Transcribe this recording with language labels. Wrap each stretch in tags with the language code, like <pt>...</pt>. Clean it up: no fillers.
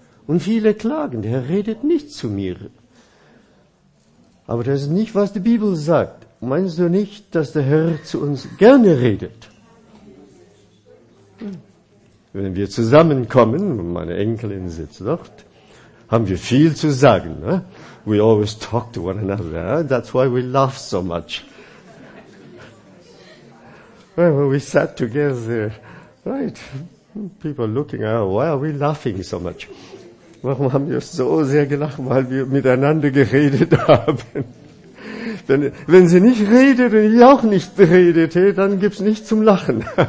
<de>Und viele klagen, der Herr redet nicht zu mir. Aber das ist nicht, was die Bibel sagt. Meinst du nicht, dass der Herr zu uns gerne redet? Wenn wir zusammenkommen, meine Enkelin sitzt dort, haben wir viel zu sagen. Ne?</de> <en>We always talk to one another. That's why we laugh so much. Well, we sat together, right? People looking out, why are we laughing so much?</en> <de>Warum haben wir so sehr gelacht, weil wir miteinander geredet haben? Denn wenn sie nicht redet und ich auch nicht redete, dann gibt's nichts zum Lachen.</de>